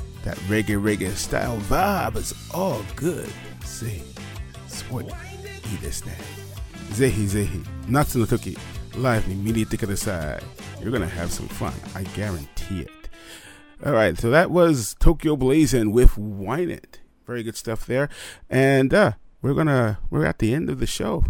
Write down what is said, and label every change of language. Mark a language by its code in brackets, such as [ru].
[en] That reggae reggae style vibe is all good. [ja] See, すごいいいですね。ぜひぜひ夏の時ライブに見に行ってください。 [en] You're gonna have some fun, I guarantee it. All right, so that was Tokyo Blazin' with Wine It. Very good stuff there. And we're at the end of the show.